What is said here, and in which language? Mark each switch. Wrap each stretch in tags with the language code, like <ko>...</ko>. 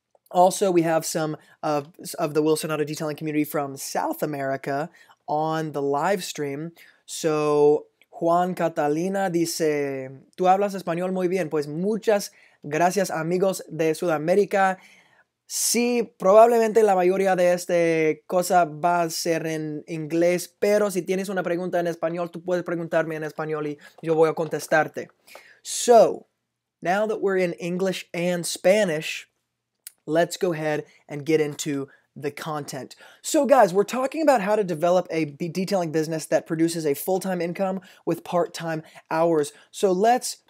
<en>Also, we have some of the Wilson Auto Detailing community from South America on the live stream.</en> <es>So Juan Catalina dice, tú hablas español muy bien, pues muchas gracias amigos de Sudamérica. Sí, probablemente la mayoría de este cosa va a ser en inglés, pero si tienes una pregunta en español, tú puedes preguntarme en español y yo voy a contestarte.</es> <en>So, now that we're in English and Spanish, let's go ahead and get into the content. So guys, we're talking about how to develop a detailing business that produces a full-time income with part-time hours. So let's</en>